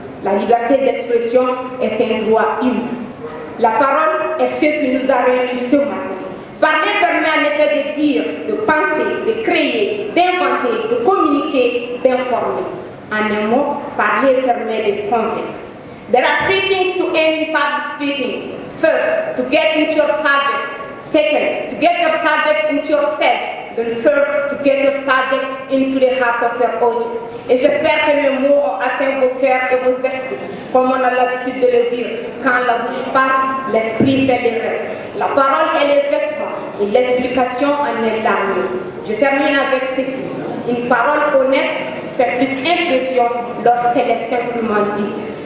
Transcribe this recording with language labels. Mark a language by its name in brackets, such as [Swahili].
[French] La liberté d'expression est un droit humain. La parole est ce qui nous a réunis ce matin. Parler permet en effet de dire, de penser, de créer, d'inventer, de communiquer, d'informer. En un mot, parler permet de convaincre. [English] There are three things to aim in public speaking. First, to get into your subject. Second, to get your subject into yourself. Then third, to get your subject into the heart of your audience. [French] Et j'espère que mes mots ont atteint vos cœurs et vos esprits. Comme on a l'habitude de le dire, quand la bouche parle, l'esprit fait le reste. La parole est le vêtement et l'explication en est l'armée. Je termine avec ceci. Une parole honnête fait plus impression lorsqu'elle est simplement dite.